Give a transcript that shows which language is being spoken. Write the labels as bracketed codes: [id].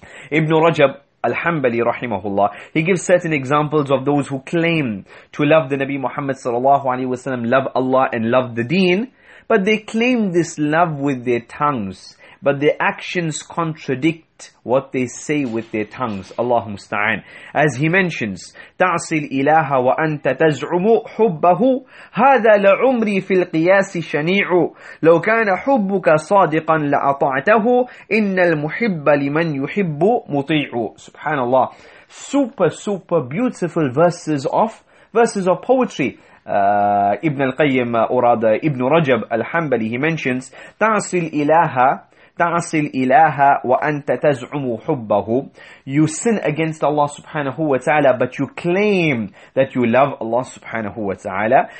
[en] Ibn Rajab al-Hanbali rahimahullah, he gives certain examples of those who claim to love the Nabi Muhammad sallallahu alaihi wasallam, love Allah and love the deen, but they claim this love with their tongues, but their actions contradict what they say with their tongues. [ar] Allah musta'an. [en] As he mentions, [ar] تَعْصِي الْإِلَهَ وَأَنْتَ تَزْعُمُ حُبَّهُ هَذَا لَعُمْرِي فِي الْقِيَاسِ شَنِيعُ لَوْ كَانَ حُبُّكَ صَادِقًا لَأَطَعْتَهُ إِنَّ الْمُحِبَّ لِمَنْ يُحِبُّ مُطِيعُ. Subhanallah. [en] Super beautiful verses of poetry. Ibn al-Qayyim, or rather Ibn Rajab al-Hanbali, he mentions, [ar] تَعْصِي الْإِلَهَ تَعَصِلْ إِلَهَا وَأَنْتَ تَزْعُمُ حُبَّهُ. [en] You sin against Allah subhanahu wa ta'ala, but you claim that you love Allah subhanahu wa ta'ala.